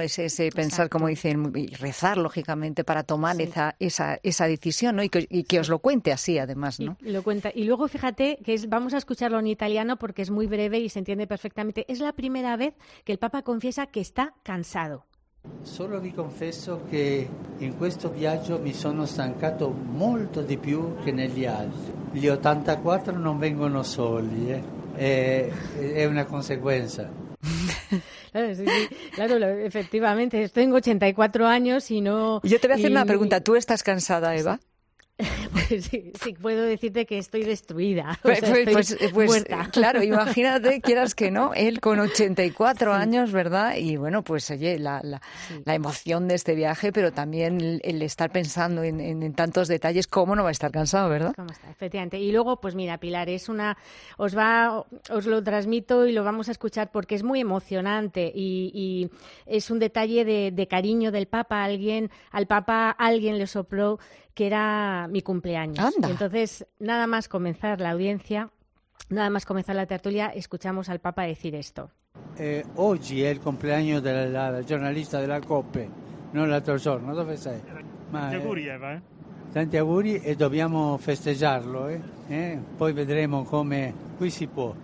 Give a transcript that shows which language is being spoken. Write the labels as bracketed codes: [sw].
[es] Ese pensar, exacto, como dicen, y rezar, lógicamente, para tomar esa decisión, ¿no? Y que os lo cuente así, además, ¿no? Y lo cuenta. Y luego, fíjate, que vamos a escucharlo en italiano porque es muy breve y se entiende perfectamente. Es la primera vez que el Papa confiesa que está cansado. [it] Solo vi confesso que en questo viaggio mi sono stancato molto di più che negli altri. Gli 84 non vengono soli, è una conseguenza. [es] Claro, efectivamente, tengo 84 años y no... Yo te voy a hacer una pregunta. ¿Tú estás cansada, Eva? Pues sí, puedo decirte que estoy destruida. Pues muerta. Claro, imagínate, quieras que no, él con 84 años, ¿verdad? Y bueno, pues oye, la emoción de este viaje, pero también el estar pensando en tantos detalles, ¿cómo no va a estar cansado, verdad? ¿Cómo está? Efectivamente. Y luego, pues mira, Pilar, os lo transmito y lo vamos a escuchar porque es muy emocionante y es un detalle de cariño del Papa. Al Papa alguien le sopló que era mi cumpleaños. Anda. Entonces, nada más comenzar la tertulia, escuchamos al Papa decir esto. [it] Oggi è il compleanno della giornalista della COPE, non l'altro giorno, dove sei? Tanti auguri, Eva. Tanti auguri e dobbiamo festeggiarlo, eh? Poi vedremo come qui si può.